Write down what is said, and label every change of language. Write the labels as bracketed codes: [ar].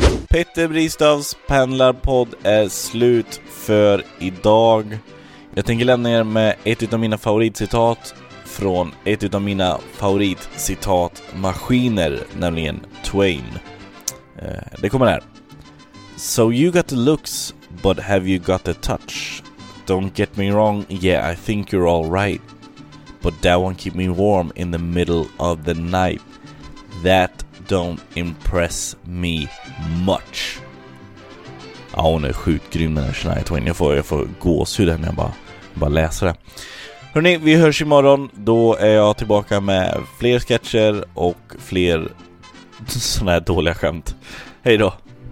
[sv] Petter Bristavs pendlarpodd är slut för idag. Jag tänker lämna er med ett av mina favoritcitat från ett av mina favoritcitatmaskiner, nämligen Twain. Det kommer här. [en] So you got the looks, but have you got the touch? Don't get me wrong, yeah I think you're all right. But that won't keep me warm in the middle of the night. That don't impress me much. [sv] Ja, hon är sjukt grym den här Shania Twain. Jag får gåshud när jag bara läser det. Hörrni, vi hörs imorgon. Då är jag tillbaka med fler sketcher och fler såna här dåliga skämt. Hej då!